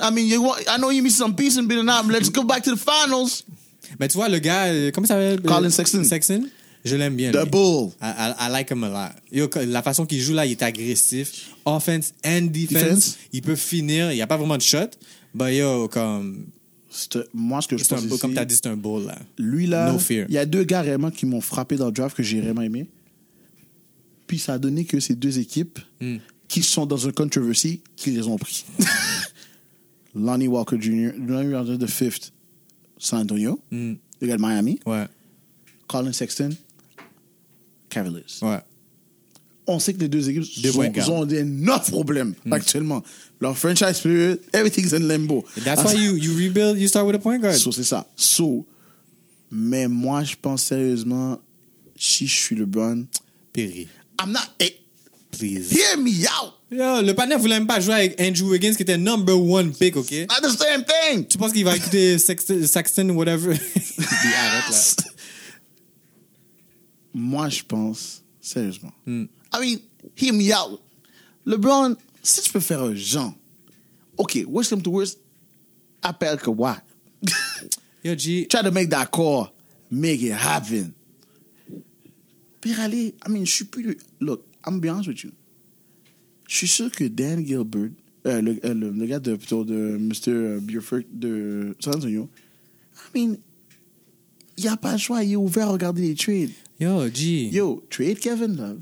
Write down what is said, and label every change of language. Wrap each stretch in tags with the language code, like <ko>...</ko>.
<en>I mean, I know you missed some peace in Bidenham, but let's go back to the finals.</en> <fr>Mais tu vois, le gars, comment ça s'appelle? Colin Sexton. Sexton, je l'aime bien.</fr> <en>The</en> <fr>lui.</fr> <en>Bull. I like him a lot.</en> <fr>Yo, la façon qu'il joue là, il est agressif.</fr> <en>Offense and defense.</en> <fr>Il peut finir. Il n'y a pas vraiment de shot.</fr> <en>But yo, comme...</en> <fr>C'est, moi, ce que c'est je pense ici... Comme tu as dit, c'est un bull, là. Lui, là, il y a deux gars réellement qui m'ont frappé dans le draft que j'ai vraiment aimé. Puis ça a donné que ces deux équipes... qui sont dans une controversy, qui les ont pris. Lonnie Walker Jr., Lonnie Walker the Fifth, San Antonio, le gars de Miami. Ouais. Colin Sexton, Cavaliers. Ouais. On sait que les deux équipes ont d'énormes problèmes actuellement.</fr> <en>Leur franchise, everything's in limbo. That's why you rebuild, you start with a point guard.</en> <fr>So, c'est ça. So, mais moi, je pense sérieusement, si je suis LeBron, Perry.</fr> <en>I'm not. Please. Hear me out!</en> <fr>Yo, le panel voulait même pas jouer avec Andrew Wiggins qui était</fr> <en>number one pick,</en> <fr>ok?</fr> <en>Not the same thing!</en> <fr>Tu penses qu'il va écouter Sexton ou whatever? Yes. Arrête là. Moi, je pense, sérieusement.</fr> <en>I mean, hear me out.</en> <fr>LeBron, si tu peux faire un Jean, ok,</fr> <en>worst come to worst,</en> <fr>appelle Kawhi.</fr> <en>Yo, G. Try to make that call, make it happen.</en> <fr>Pire aller,</fr> <en>I mean,</en> <fr>je suis plus.</fr> <en>Look. I'm being honest with you.</en> <fr>Je suis sûr que Dan Gilbert, le gars de, plutôt de Mr. Buford de San Antonio, I mean, il n'y a pas le choix. Il est ouvert à regarder les trades.</fr> <en>Yo, G. Yo, trade Kevin Love.</en>